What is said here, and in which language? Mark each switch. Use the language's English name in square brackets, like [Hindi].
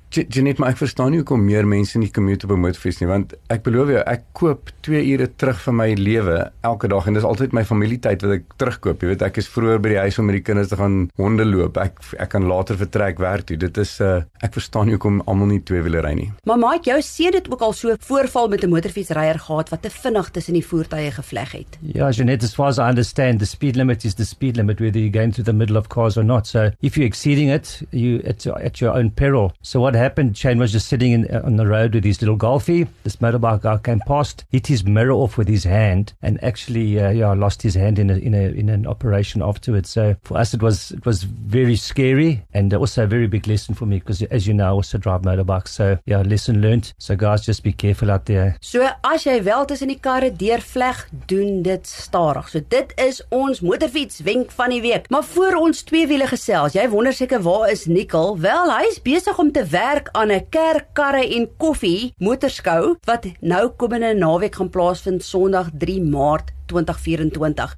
[Afrikaans] Jeanette, maar ek verstaan nie hoekom meer mense nie commute op 'n motorfiets nie, want ek beloof jou, ek koop 2 ure terug van my lewe elke dag en dis altyd my familietyd wat ek terugkoop. Jy weet, ek is vroeër by die huis om met die kinders te gaan honde loop. Ek kan later vertrek werk toe. Dit is ek verstaan nie hoekom almal nie tweewieler ry nie. Maar Mike, jou seun het ook al so 'n voorval met 'n motorfietsryer gehad wat te vinnig tussen die voertuie gevleg het. [English] Ja, Jeanette, as far as I understand, the speed limit is the speed limit whether you're going through the middle of cars or not. So if you're exceeding it, it's at your own peril. So what happened, Shane was just sitting on the road with his little golfie. This motorbike guy came past, hit his mirror off with his hand, and actually lost his hand in an operation afterwards. So for us, it was very scary, and also a very big lesson for me, because as you know, I also drive motorbikes. So yeah, lesson learned. So guys, just be careful out there. [Afrikaans] So as jy wel tussen die karre deurvleg, doen dit stadig. So dit is ons motorfiets wenk van die week. Maar voor ons tweewiele gesels, jy wonder seker waar is Nikkel? Wel, hy is besig om te werk aan 'n kerk karre en koffie motorskou wat nou komende naweek gaan plaasvind Sondag 3 Maart 2024.